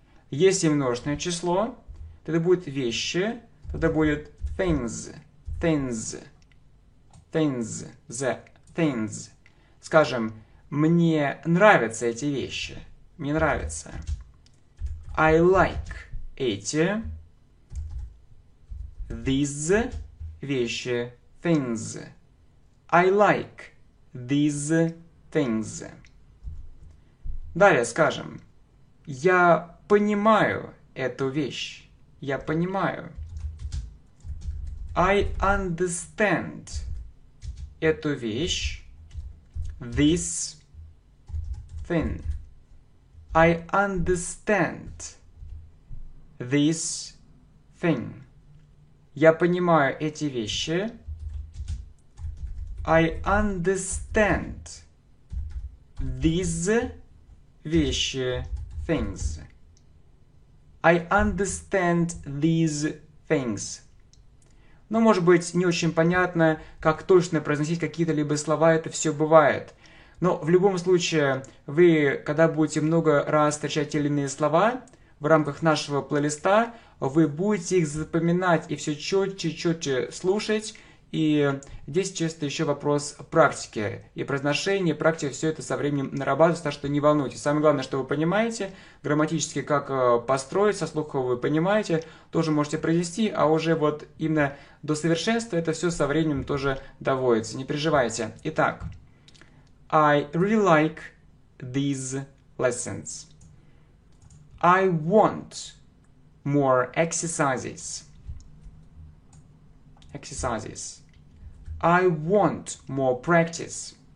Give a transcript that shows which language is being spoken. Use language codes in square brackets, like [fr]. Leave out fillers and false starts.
[ru] Если множественное число, тогда будет вещи, тогда будет [en] things, things, things, the things. [ru] Скажем, мне нравятся эти вещи, мне нравятся. [en] I like [ru] эти. [en] These [ru] вещи, [en] things. I like these things. [ru] Далее скажем. Я понимаю эту вещь. Я понимаю. [en] I understand [ru] эту вещь. [en] This thing. I understand this thing. [ru] Я понимаю эти вещи. [en] I understand these [ru] вещи, [en] things. I understand these things. [ru] Ну, может быть, не очень понятно, как точно произносить какие-то либо слова, это все бывает. Но в любом случае, вы, когда будете много раз встречать те или иные слова в рамках нашего плейлиста, вы будете их запоминать и все четче и четче слушать. И здесь чисто еще вопрос практики и произношения. Практика все это со временем нарабатывается, так что не волнуйтесь. Самое главное, что вы понимаете грамматически, как построить, со слухом вы понимаете, тоже можете произнести, а уже вот именно до совершенства это все со временем тоже доводится. Не переживайте. [en] Итак, I really like these lessons. I want more exercises. Exercises. I want more practice.